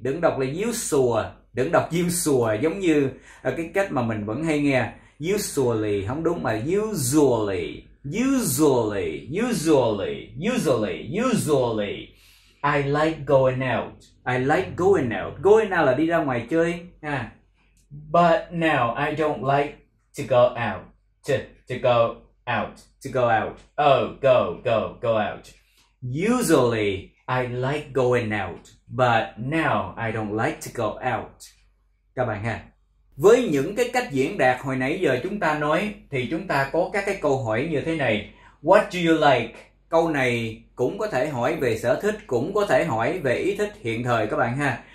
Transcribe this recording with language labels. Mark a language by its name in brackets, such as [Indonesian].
[Vietnamese] Đừng đọc là usual, đừng đọc usual giống như cái cách mà mình vẫn hay nghe. Usually không đúng mà usually. [English] Usually. I like going out. [Vietnamese] Going out là đi ra ngoài chơi ha. [English] But now I don't like to go out. To go out. Go out. Usually I like going out, but now I don't like to go out. [Vietnamese] Các bạn ha. Với những cái cách diễn đạt hồi nãy giờ chúng ta nói thì chúng ta có các cái câu hỏi như thế này. [English] What do you like? [Vietnamese] Câu này cũng có thể hỏi về sở thích, cũng có thể hỏi về ý thích hiện thời các bạn ha.